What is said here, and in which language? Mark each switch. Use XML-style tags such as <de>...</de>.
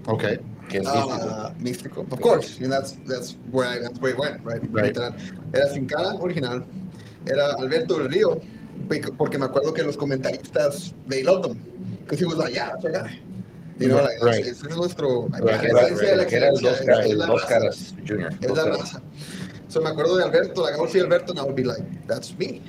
<en>Okay. Místico. Of course. And that's where it went, right? Right.</en> <es>Era Sin Cara, original. Era Alberto del Rio, porque me acuerdo que los comentaristas,</es> <en>they loved them. Because he was like, yeah, that's our guy. You know, like, right.</en> <es>Ese es nuestro...</es> <en>Right.</en> <es>Dos caras, Junior. So me acuerdo de Alberto.</es> <en>Like, I would see Alberto and I would be like, that's me.</en>